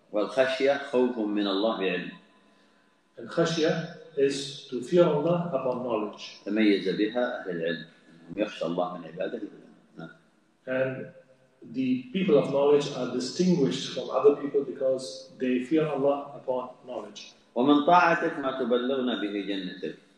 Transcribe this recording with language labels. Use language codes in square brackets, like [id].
[ar] والخشية خوف من الله بعلم. [en] الخشية is to fear Allah upon knowledge. [ar] تميز بها أهل العلم. يخشى الله من عباده بالعلم. [en] And the people of knowledge are distinguished from other people because they fear Allah upon knowledge. [ar] ومن طاعتك ما تبلغنا به جنتك.